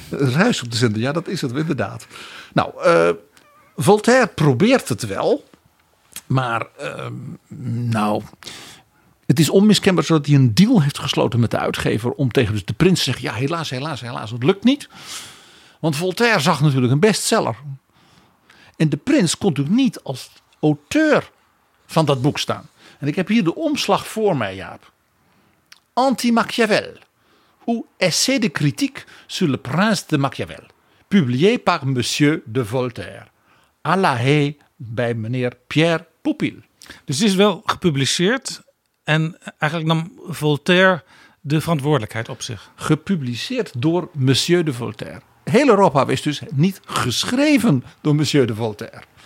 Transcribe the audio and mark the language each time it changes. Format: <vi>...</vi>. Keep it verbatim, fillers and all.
<nl>Ruis op de zender, ja, dat is het inderdaad. Nou, uh, Voltaire probeert het wel, maar uh, nou, het is onmiskenbaar zodat hij een deal heeft gesloten met de uitgever om tegen dus de prins te zeggen, ja helaas, helaas, helaas, het lukt niet. Want Voltaire zag natuurlijk een bestseller. En de prins kon natuurlijk niet als auteur van dat boek staan. En ik heb hier de omslag voor mij, Jaap.</nl> <fr>Anti-Machiavel. Ou essai de critique sur le prince de Machiavel. Publié par monsieur de Voltaire. À la haie</fr> <nl>bij meneer</nl> <fr>Pierre Poupil.</fr> <nl>Dus het is wel gepubliceerd. En eigenlijk nam Voltaire de verantwoordelijkheid op zich. Gepubliceerd door monsieur de Voltaire. Heel Europa wist dus niet geschreven door monsieur de Voltaire.</nl>